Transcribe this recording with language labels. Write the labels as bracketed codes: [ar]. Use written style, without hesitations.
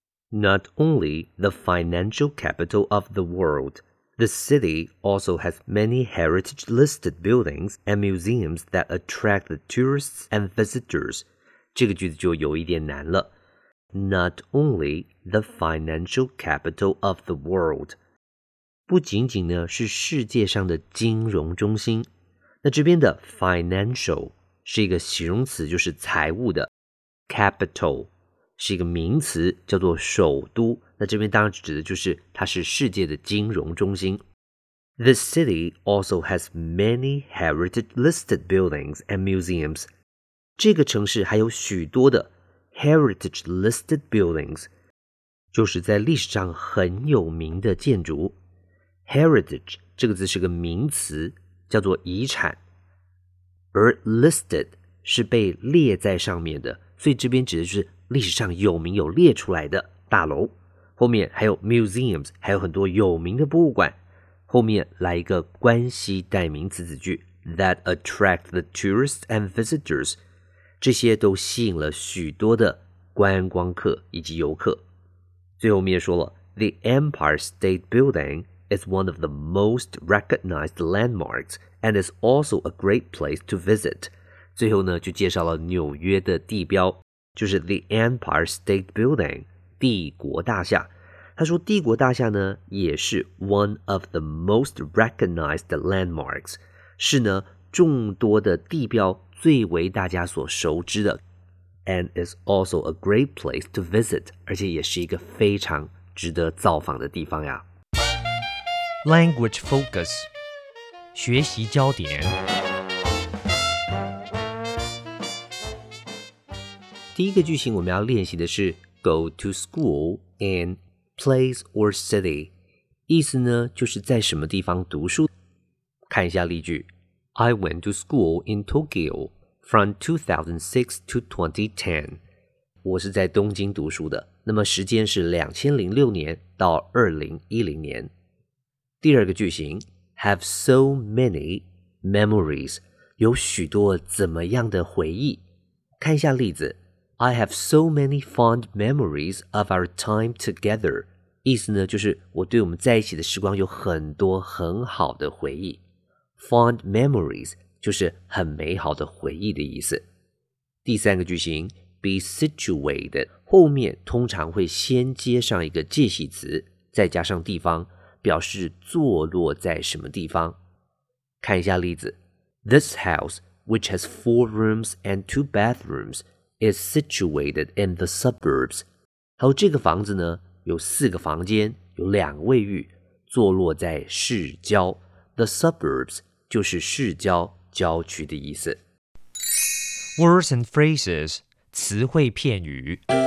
[en] Not only the financial capital of the world, the city also has many heritage-listed buildings and museums that attract the tourists and visitors. [zh] 这个句子就有一点难了。 [en] Not only the financial capital of the world, [zh] 不仅仅呢是世界上的金融中心。那这边的 financial 是一个形容词，就是财务的 [en] ，capital [zh] 是一个名词，叫做首都。那这边当然指的就是它是世界的金融中心。 [en] The city also has many heritage-listed buildings and museums. [zh] 这个城市还有许多的 [en] heritage-listed buildings， [zh] 就是在历史上很有名的建筑。 Heritage 这个字是个名词。叫做遗产，而 listed 是被列在上面的，所以这边指的就是历史上有名有列出来的大楼。后面还有 museums， 还有很多有名的博物馆。后面来一个关系代名词子句 [en] that attract the tourists and visitors， [zh] 这些都吸引了许多的观光客以及游客。最后面说了 [en] the Empire State Building。 It's one of the most recognized landmarks and is also a great place to visit. [zh] 最后呢就介绍了纽约的地标，就是 The Empire State Building, 帝国大厦。他说帝国大厦呢也是 [en] one of the most recognized landmarks, [zh] 是呢众多的地标最为大家所熟知的。 [en] And is also a great place to visit, [zh] 而且也是一个非常值得造访的地方呀。 [en] Language focus， [zh] 学习焦点。第一个句型我们要练习的是 [en] go to school in place or city， [zh] 意思呢就是在什么地方读书。看一下例句 [en] ：I went to school in Tokyo from 2006 to 2010。 [zh] 我是在东京读书的，那么时间是2006年到2010年。第二个句型 [en] have so many memories， [zh] 有许多怎么样的回忆。看一下例子 [en] I have so many fond memories of our time together， [zh] 意思呢就是我对我们在一起的时光有很多很好的回忆。 [en] fond memories [zh] 就是很美好的回忆的意思。第三个句型 [en] be situated， [zh] 后面通常会先接上一个介系词再加上地方，表示坐落在什么地方。看一下例子 [en] This house, which has four rooms and two bathrooms, is situated in the suburbs. [zh] 还有这个房子呢有四个房间有两个卫浴，坐落在市郊。 [en] The suburbs [zh] 就是市郊郊区的意思。 [en] Words and phrases [zh] 词汇片语。